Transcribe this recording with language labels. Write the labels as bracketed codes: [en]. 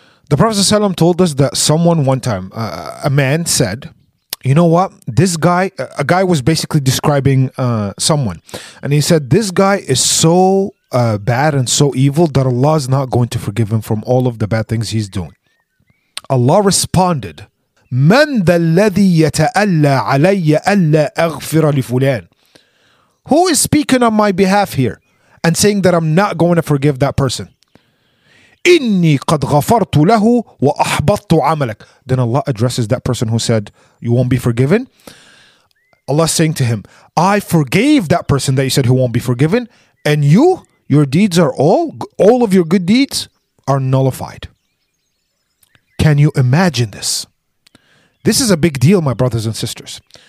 [en] The Prophet ﷺ told us that someone one time, a man said, you know what, this guy, a guy was basically describing someone, and he said, this guy is so bad and so evil that Allah is not going to forgive him from all of the bad things he's doing. [ar] Allah responded, من الذي يتألى علي ألا أغفر لفلان? [en] Who is speaking on my behalf here and saying that I'm not going to forgive that person? [ar] إني قد غفرت له وأحبطت عملك. [en] Then Allah addresses that person who said, you won't be forgiven. Allah is saying to him, I forgave that person that you said who won't be forgiven. And you, your deeds are all of your good deeds are nullified. Can you imagine this? This is a big deal, my brothers and sisters.